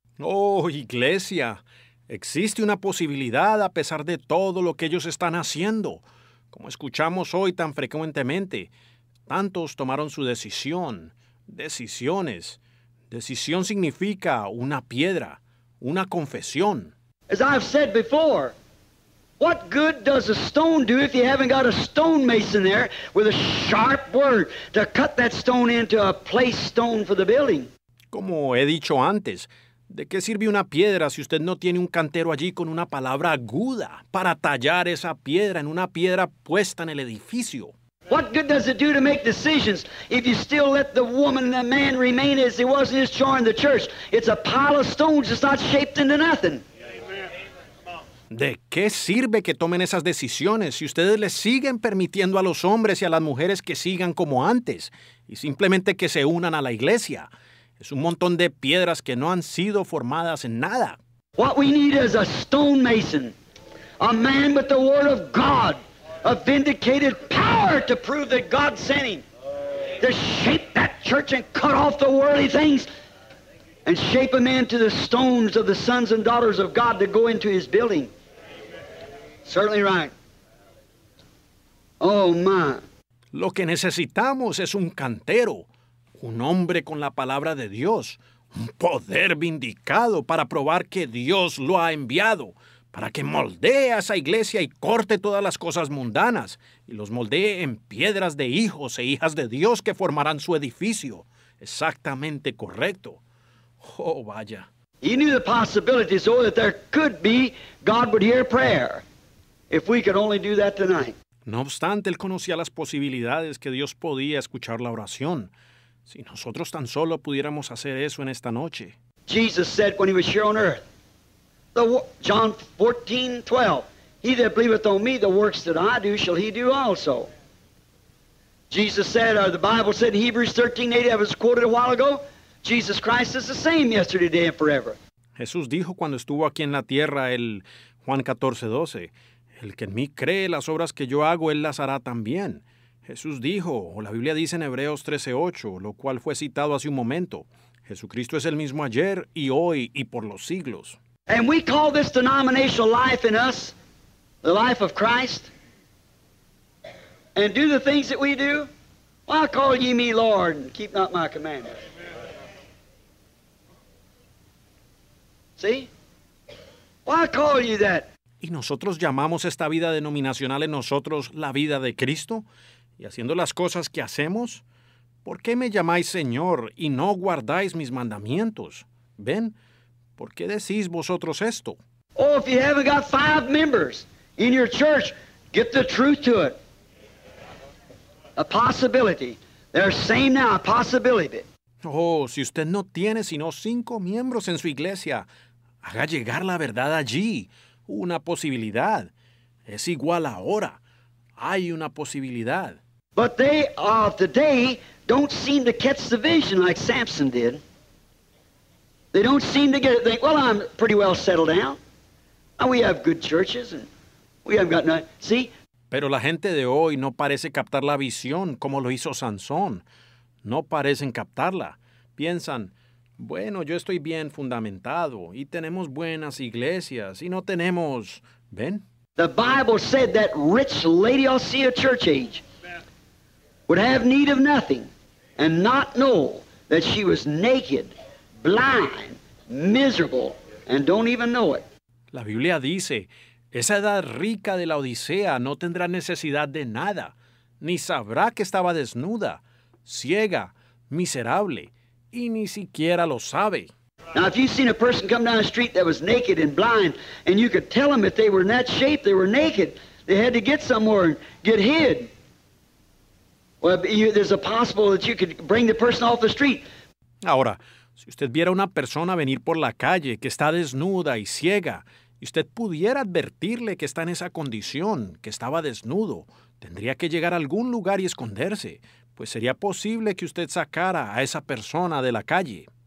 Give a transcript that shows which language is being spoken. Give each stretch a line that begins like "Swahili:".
Spanish: Oh, iglesia, existe una posibilidad a pesar de todo lo que ellos están haciendo. Como escuchamos hoy tan frecuentemente, tantos tomaron su decisión, decisiones. Decisión significa una piedra, una confesión.
English: As I've said before, what good does a stone do if you haven't got a stonemason there with a sharp word to cut that stone into a place stone for the building?
Spanish: Como he dicho antes, ¿de qué sirve una piedra si usted no tiene un cantero allí con una palabra aguda para tallar esa piedra en una piedra puesta en el edificio?
English: What good does it do to make decisions if you still let the woman and the man remain as he was in his charge in the church? It's a pile of stones that's not shaped into nothing.
Spanish: ¿De qué sirve que tomen esas decisiones si ustedes les siguen permitiendo a los hombres y a las mujeres que sigan como antes y simplemente que se unan a la iglesia? Es un montón de piedras que no han sido formadas en nada.
English: What we need is a stonemason, a man with the word of God, a vindicated power to prove that God sent him, to shape that church and cut off the worldly things and shape a man to the stones of the sons and daughters of God to go into his building. Certainly right. Oh, my.
Spanish: Lo que necesitamos es un cantero, un hombre con la palabra de Dios, un poder vindicado para probar que Dios lo ha enviado, para que moldee a esa iglesia y corte todas las cosas mundanas y los moldee en piedras de hijos e hijas de Dios que formarán su edificio. Exactamente correcto. Oh, vaya.
English: He knew the possibility, so that there could be God would hear prayer if we could only do that tonight.
Spanish: No obstante, él conocía las posibilidades que Dios podía escuchar la oración. Si nosotros tan solo pudiéramos hacer eso en esta noche.
English: Jesus said when he was here on earth, John 14:12, he that believeth on me, the works that I do shall he do also. Jesus said, or the Bible said in Hebrews 13:8, I was quoted a while ago, Jesus Christ is the same yesterday, today, and forever.
Spanish: Jesús dijo cuando estuvo aquí en la tierra, el Juan 14:12, el que en mí cree, las obras que yo hago, él las hará también. Jesús dijo, o la Biblia dice en Hebreos 13:8, lo cual fue citado hace un momento, Jesucristo es el mismo ayer y hoy y por los siglos.
English: And we call this denominational life in us the life of Christ. And do the things that we do, why call ye me Lord and keep not my commandments? See? Why call ye that?
Spanish: ¿Y nosotros llamamos esta vida denominacional en nosotros la vida de Cristo? ¿Y haciendo las cosas que hacemos? ¿Por qué me llamáis Señor y no guardáis mis mandamientos? ¿Ven? ¿Por qué decís vosotros esto?
English: Oh, if you haven't got 5 members in your church, get the truth to it. A possibility. They're same now, a possibility.
Spanish: Oh, si usted no tiene sino 5 miembros en su iglesia, haga llegar la verdad allí. Una posibilidad. Es igual ahora. Hay una posibilidad.
English: But they of today don't seem to catch the vision like Samson did. They don't seem to get it. They, well, I'm pretty well settled down. And we have good churches and we haven't got nothing. See?
Spanish: Pero la gente de hoy no parece captar la visión como lo hizo Sansón. No parecen captarla. Piensan, bueno, yo estoy bien fundamentado y tenemos buenas iglesias y no tenemos, ¿ven?
English: The Bible said that rich Laodicea church age would have need of nothing and not know that she was naked, blind, miserable, and don't even know it.
Spanish: La Biblia dice, Esa edad rica de la Odisea no tendrá necesidad de nada, ni sabrá que estaba desnuda, ciega, miserable, y ni siquiera lo sabe.
English: Now, if you've seen a person come down the street that was naked and blind, and you could tell them if they were in that shape, they were naked, they had to get somewhere and get hid. Well, there's a possible that you could bring the person off the street.
Spanish: Ahora, si usted viera una persona venir por la calle que está desnuda y ciega, y usted pudiera advertirle que está en esa condición, que estaba desnudo, tendría que llegar a algún lugar y esconderse, pues sería posible que usted sacara a esa persona de la calle.